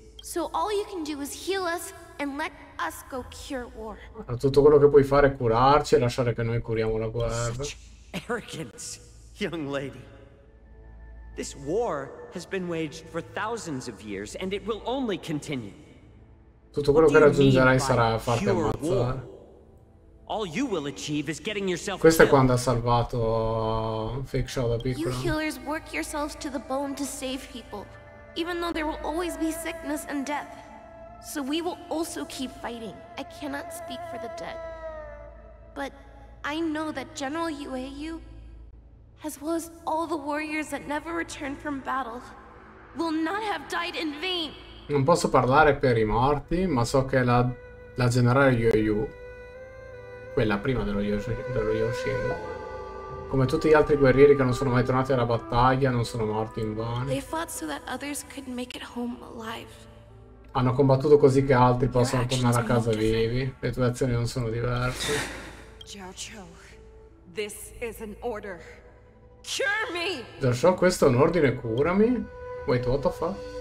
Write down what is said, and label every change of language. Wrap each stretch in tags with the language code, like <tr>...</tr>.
<en>So all you can do is heal us and let us go cure war.</en> <it>Tutto quello che puoi fare è curarci e lasciare che noi curiamo la guerra.</it> <en>Such arrogance, young lady. This war has been waged for thousands of years and it will only continue.</en> <it>Tutto quello che raggiungerai sarà farti ammazzare.</it> <en>All you will achieve is getting yourself.</en> <it>Questo è quando ha salvato Fake Shaw da piccolo.</it> <en>You healers work yourselves to the bone to save people. Even though there will always be sickness and death. So we will also keep fighting. I cannot speak for the dead. But I know that General Yueyu, as well as all the warriors that never returned from battle, will not have died in vain.</en> <it>Non posso parlare per i morti, ma so che la generale Yueyu, quella prima dello Yoshin, come tutti gli altri guerrieri che non sono mai tornati alla battaglia, non sono morti in vano.</it> <en>They fought so that others could make it home alive.</en> <it>Hanno combattuto così che altri possano tornare a casa vivi. Le tue azioni non sono diverse.</it> <en>Jiao Zhou, this is an order. Cure me!</en> <it>Jiao Zhou, questo è un ordine, curami.</it> <en>Wait, what the fuck?</en>